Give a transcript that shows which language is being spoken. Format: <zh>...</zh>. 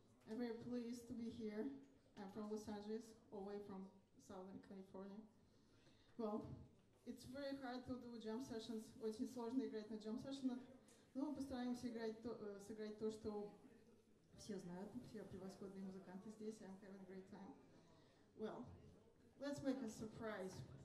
<en>I'm very pleased to be here. I'm from Los Angeles, away from Southern California. Well, it's very hard to do jam sessions.</en> <ru>Очень сложно играть на jam sessions. Но мы постараемся сыграть то, что все знают. Все превосходные музыканты здесь.</ru> <en>I'm having a great time. Well, let's make a surprise.</en>